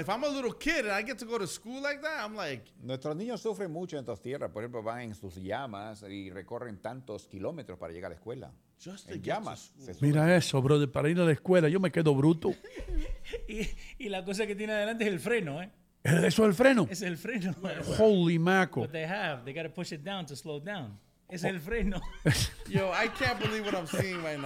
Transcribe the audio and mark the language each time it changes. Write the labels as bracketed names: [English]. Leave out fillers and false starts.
[English] If I'm a little kid and I get to go to school like that, I'm like... [Spanish] Nuestros niños sufren mucho en estas tierras. Por ejemplo, van en sus llamas y recorren tantos kilómetros para llegar a la escuela. [English] Just [Spanish] en llamas. Mira eso, brother. Para ir a la escuela, yo me quedo bruto. y la cosa que tiene adelante es el freno, ¿eh? ¿Eso es el freno? Es el freno. [English] Holy mackerel. But they have. They got to push it down to slow down. [Spanish] Es el freno. [English] Yo, I can't believe what I'm seeing right now.